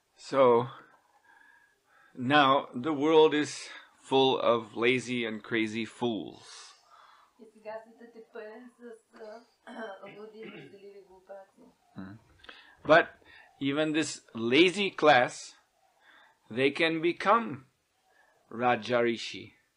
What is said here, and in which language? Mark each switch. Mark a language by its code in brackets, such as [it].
[en] So, now the world is full of lazy and crazy fools. [bg] И сега светът е пълен с луди и мързеливи глупаци. [en] But even this lazy class, they can become Raja Rishi.